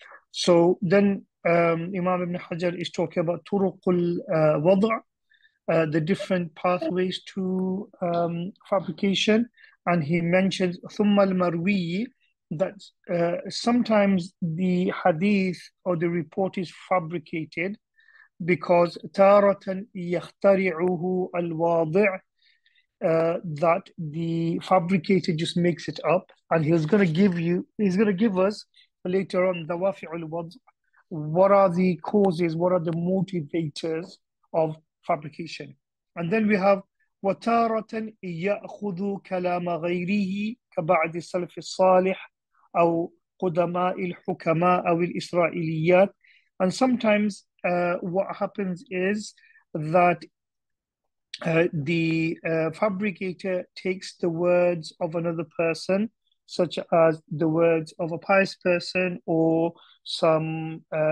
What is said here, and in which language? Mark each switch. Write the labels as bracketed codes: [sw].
[en] So then Imam Ibn Hajar is talking about turuqul wada', the different pathways to fabrication, and he mentions thumma al-marwi, that sometimes the hadith or the report is fabricated because [ar] taratan yakhtari'uhu al-wadi', [en] that the fabricator just makes it up, and he's going to give us later on dawafi' al-wad', what are the causes, what are the motivators of fabrication. And then we have [ar] وَتَارَةً يَأْخُذُ كَلَامَ غَيْرِهِ كَبَعْدِ السَّلَفِ الصَّالِحِ أَوْ قُدَمَاءِ الْحُكَمَاءِ أَوْ الْإِسْرَائِيلِيَّاتِ. [en] And sometimes what happens is that the fabricator takes the words of another person, such as the words of a pious person or some